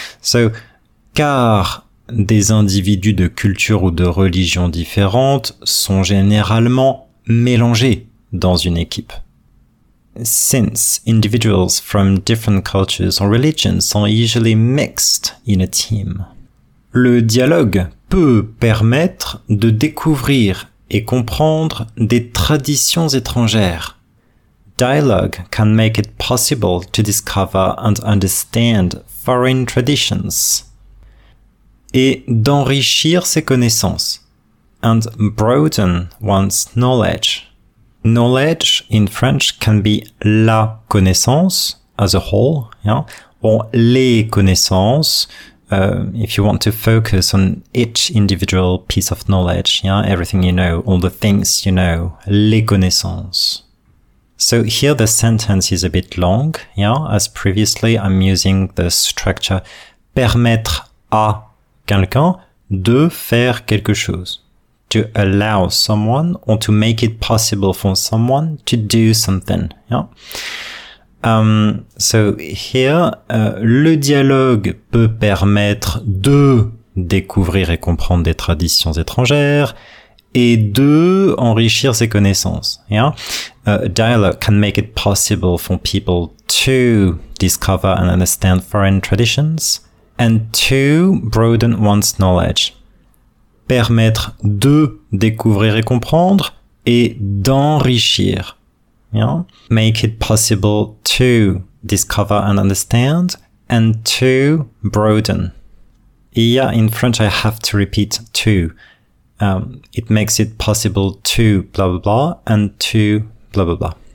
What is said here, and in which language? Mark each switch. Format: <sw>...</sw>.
<fr>So, car, des individus de culture ou de religion différentes sont généralement mélangés dans une équipe.</fr> <en>Since individuals from different cultures or religions are usually mixed in a team.</en> <fr>Le dialogue peut permettre de découvrir et comprendre des traditions étrangères.</fr> <en>Dialogue can make it possible to discover and understand foreign traditions.</en> <fr>Et d'enrichir ses connaissances,</fr> <en>and broaden one's knowledge. Knowledge in French can be la connaissance as a whole, yeah, or les connaissances, if you want to focus on each individual piece of knowledge, yeah, everything you know, all the things you know, les connaissances. So here the sentence is a bit long, yeah, as previously I'm using the structure</en> <fr>permettre à quelqu'un de faire quelque chose.</fr> <en>To allow someone or to make it possible for someone to do something. Yeah? So here,</en> <fr>le dialogue peut permettre de découvrir et comprendre des traditions étrangères et de enrichir ses connaissances.</fr> <en>Yeah? Dialogue can make it possible for people to discover and understand foreign traditions. And to broaden one's knowledge.</en> <fr>Permettre de découvrir et comprendre et d'enrichir.</fr> <en>Yeah? Make it possible to discover and understand and to broaden. Yeah, in French I have to repeat to. It makes it possible to blah blah blah and to blah blah blah.</en>